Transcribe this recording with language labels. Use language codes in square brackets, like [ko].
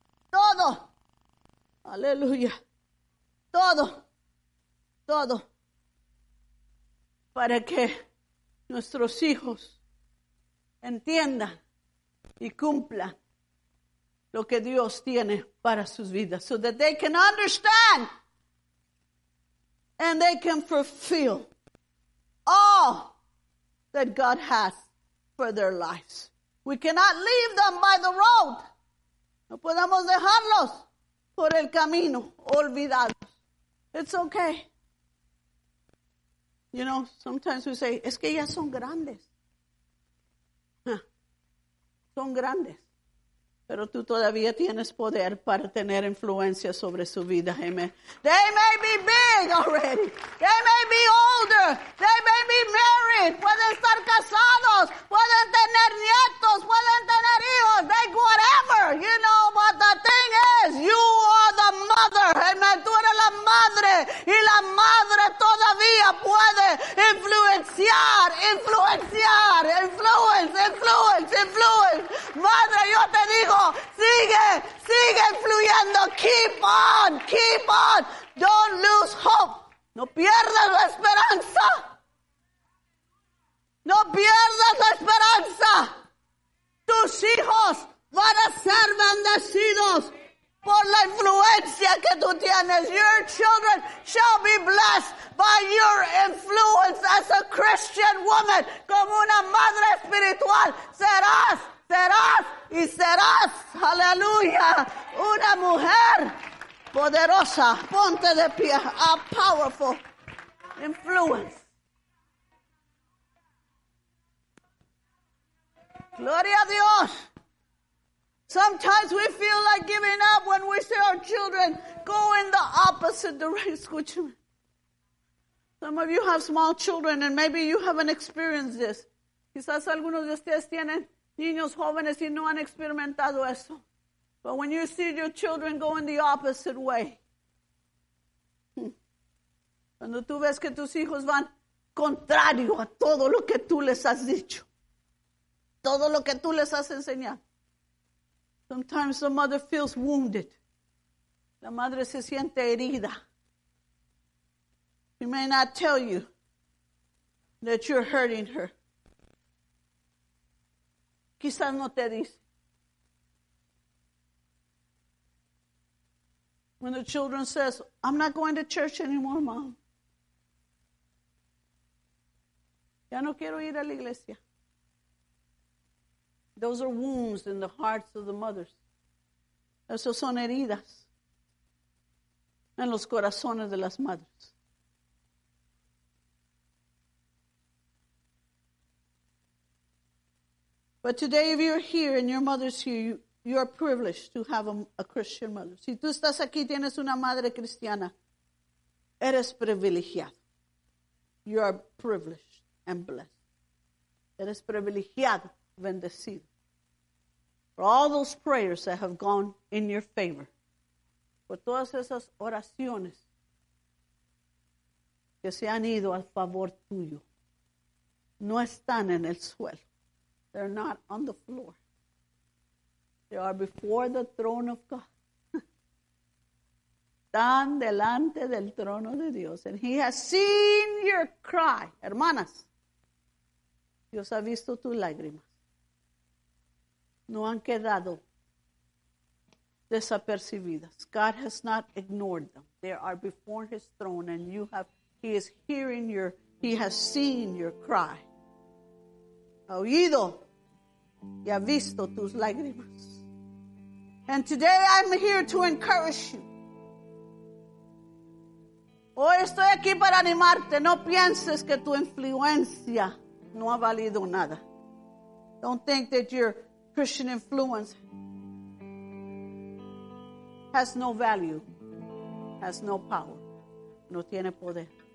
[es] Todo. Aleluya. Todo. Todo. Para que nuestros hijos entiendan y cumplan lo que Dios tiene para sus vidas. [en] So that they can understand and they can fulfill all that God has for their lives. We cannot leave them by the road. [es] No podemos dejarlos por el camino, olvidados. [en] It's okay. You know, sometimes we say, [es] es que ya son grandes. Son grandes. Pero tú todavía tienes poder para tener influencia sobre su vida. [en] Amen. They may be big already. They may be older. They may be married. [es] Pueden estar casados. Pueden tener nietos. Pueden tener hijos. [en] They whatever. You know, but the thing is, you are the mother. [es] Amen. Tú eres la madre. Y la madre todavía puede influenciar. Influenciar. [en] Influence. Influence. Influence. [es] Madre, yo te digo, sigue, sigue fluyendo. [en] Keep on, keep on. Don't lose hope. [es] No pierdas la esperanza. No pierdas la esperanza. Tus hijos van a ser bendecidos por la influencia que tú tienes. [en] Your children shall be blessed by your influence as a Christian woman. [es] Como una madre espiritual serás. Serás y serás, aleluya, una mujer poderosa. Ponte de pie, [en] a powerful influence. [es] Gloria a Dios. [en] Sometimes we feel like giving up when we see our children go in the opposite direction. [es] Escúchame. [en] Some of you have small children and maybe you haven't experienced this. [es] Quizás algunos de ustedes tienen niños jóvenes y no han experimentado eso. [en] But when you see your children going the opposite way, [es] cuando tú ves que tus hijos van contrario a todo lo que tú les has dicho, todo lo que tú les has enseñado, [en] sometimes the mother feels wounded. [es] La madre se siente herida. [en] She may not tell you that you're hurting her. [es] Quizás no te dice. [en] When the children says, I'm not going to church anymore, mom. [es] Ya no quiero ir a la iglesia. [en] Those are wounds in the hearts of the mothers. [es] Esos son heridas en los corazones de las madres. [en] But today, if you're here and your mother's here, you are privileged to have a Christian mother. [es] Si tú estás aquí, tienes una madre cristiana, eres privilegiado. [en] You are privileged and blessed. [es] Eres privilegiado, bendecido. [en] For all those prayers that have gone in your favor, [es] por todas esas oraciones que se han ido al favor tuyo, no están en el suelo. [en] They're not on the floor. They are before the throne of God. [es] están delante del trono de Dios. [en] And he has seen your cry. [es] Hermanas, Dios ha visto tus lágrimas. No han quedado desapercibidas. [en] God has not ignored them. They are before his throne and you have, he is hearing your, he has seen your cry. [es] Ha oído y ha visto tus lágrimas. [en] And today I'm here to encourage you. [es] Hoy estoy aquí para animarte. No pienses que tu influencia no ha valido nada. [en] Don't think that your Christian influence has no value, has no power, [es] no tiene poder.